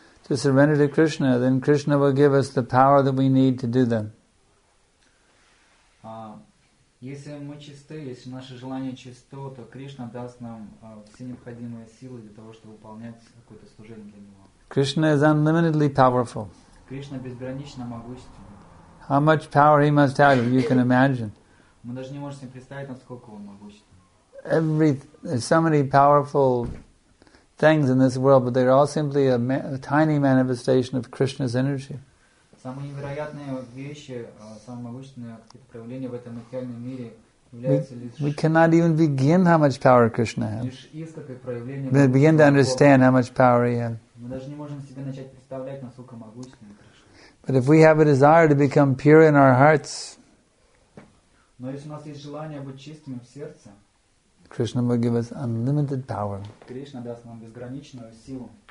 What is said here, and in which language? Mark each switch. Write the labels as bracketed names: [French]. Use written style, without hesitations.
[English] To surrender to Krishna, then Krishna will give us the power that we need to do them. [Russian] Если мы чисты, если наше желание чисто, то Кришна даст нам все необходимые силы для того, чтобы выполнять какое-то служение для него. [English] Krishna is unlimitedly powerful. [Russian] Кришна безгранично могущественен. [English] How much power he must have, you can imagine. [Russian] Мы даже не можем себе представить, насколько он могущественен. [English] There's so many powerful things in this world, but they're all simply a tiny manifestation of Krishna's energy. [Russian] Самые невероятные вещи, самые обычные проявления в этом материальном мире являются лишь. [English] We cannot even begin how much power Krishna has. [Russian] Лишь искрой проявления. [English] We begin to understand how much power he has. [Russian] Мы даже не можем себе начать представлять, насколько могущественен Кришна. [English] But if we have a desire to become pure in our hearts, [Russian] но если у нас есть желание быть чистыми в сердце, [English] Krishna will give us unlimited power. [Russian] Кришна даст нам безграничную силу.